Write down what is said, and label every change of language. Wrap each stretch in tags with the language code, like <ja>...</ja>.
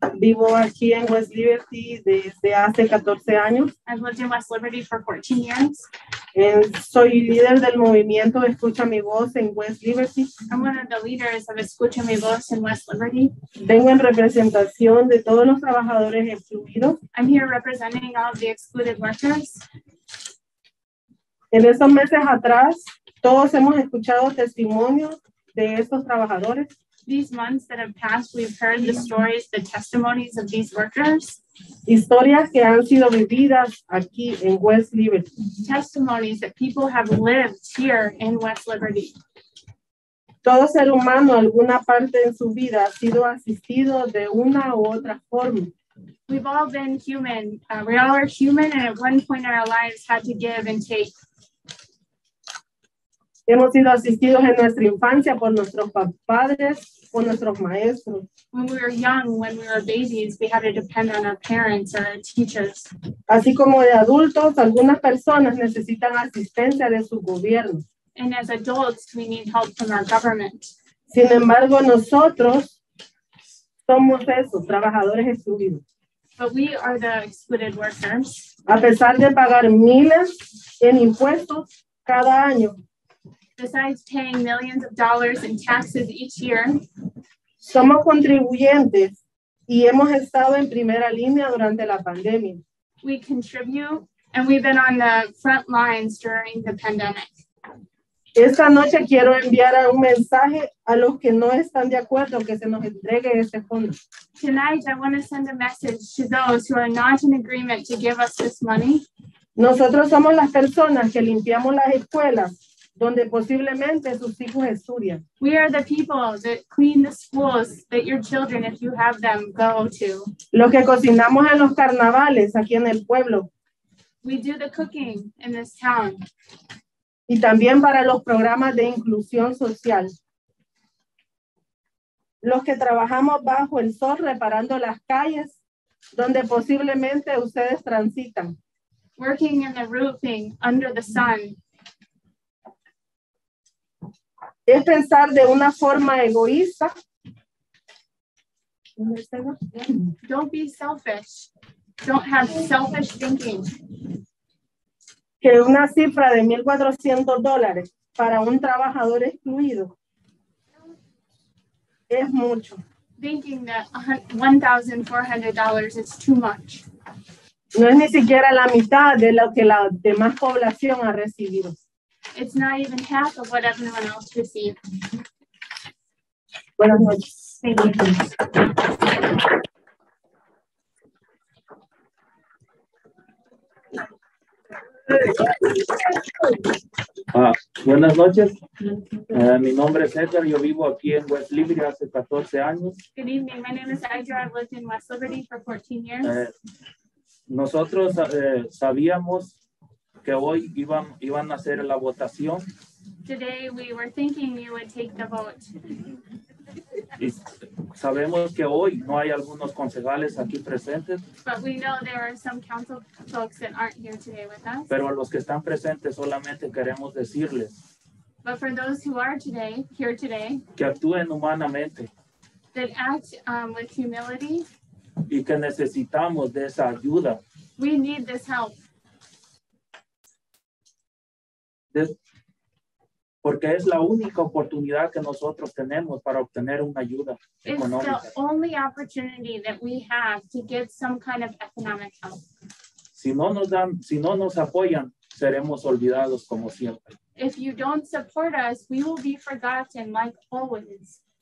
<es>Vivo aquí en West Liberty desde hace 14 años.</es> <en>I've lived in West Liberty for 14 years.</en> <es>Soy líder del movimiento Escucha Mi Voz en West Liberty.</es> <en>I'm one of the leaders of Escucha Mi Voz in West Liberty.</en> <es>Vengo en representación de todos los trabajadores excluidos.</es> <en>I'm here representing all the excluded workers.</en> <es>En estos meses atrás, todos hemos escuchado testimonios de estos trabajadores.</es> <en>These months that have passed, we've heard the stories, the testimonies of these workers.</en> <es>Historias que han sido vividas aquí en West Liberty.</es> <en>Testimonies that people have lived here in West Liberty.</en> <es>Todo ser humano, alguna parte en su vida, ha sido asistido de una u otra forma.</es> <en>We've all been human. We all are human, and at one point in our lives had to give and take.</en> <es>Hemos sido asistidos en nuestra infancia por nuestros padres, por nuestros maestros.</es> <en>When we were young, when we were babies, we had to depend on our parents or our teachers.</en> <es>Así como de adultos, algunas personas necesitan asistencia de su gobierno.</es> <en>And as adults, we need help from our government.</en> <es>Sin embargo, nosotros somos esos, trabajadores excluidos.</es> <en>But we are the excluded workers.</en> <es>A pesar de pagar miles en impuestos cada año.</es> <en>Besides paying millions of dollars in taxes each year,</en> <es>somos contribuyentes y hemos estado en primera línea durante la pandemia.</es> <en>We contribute and we've been on the front lines during the pandemic.</en> <es>Esta noche quiero enviar un mensaje a los que no están de acuerdo que se nos entregue este fondo.</es> <en>Tonight, I want to send a message to those who are not in agreement to give us this money.</en> <es>Nosotros somos las personas que limpiamos las escuelas donde posiblemente sus hijos estudian.</es> <en>We are the people that clean the schools that your children, if you have them, go to.</en> <es>Los que cocinamos en los carnavales aquí en el pueblo.</es> <en>We do the cooking in this town.</en> <es>Y también para los programas de inclusión social. Los que trabajamos bajo el sol reparando las calles donde posiblemente ustedes transitan.</es> <en>Working in the roofing under the sun.</en> <es>Es pensar de una forma egoísta.</es> <en>Don't be selfish. Don't have selfish thinking.</en> <es>Que una cifra de $1,400 para un trabajador excluido es mucho.</es> <en>Thinking that $1,400 is too much.</en> <es>No es ni siquiera la mitad de lo que la demás población ha recibido.</es> <en>It's not even half of what everyone else received.</en> <es>Buenas noches.</es> <en>Thank you.</en> <es>Buenas noches. Mi nombre es Edgar. Yo vivo aquí en West Liberty hace 14 años.</es> <en>Good evening. My name is Edgar. I've lived in West Liberty for 14 years.</en> <es>Nosotros sabíamos que hoy iban a hacer la votación.</es> <en>Today we were thinking you would take the vote.</en> <es>Y sabemos que hoy no hay algunos concejales aquí presentes.</es> <en>But we know there are some council folks that aren't here today with us.</en> <es>Pero a los que están presentes solamente queremos decirles.</es> <en>But for those who are today, here today.</en> <es>Que actúen humanamente.</es> <en>That act with humility.</en> <es>Y que necesitamos de esa ayuda.</es> <en>We need this help.</en> <es>Porque es la única oportunidad que nosotros tenemos para obtener una ayuda económica.</es> <en>It's the only opportunity that we have to get some kind of economic help.</en> <es>Si no nos apoyan, seremos olvidados como siempre.</es> <en>If you don't support us, we will be forgotten like always.</en>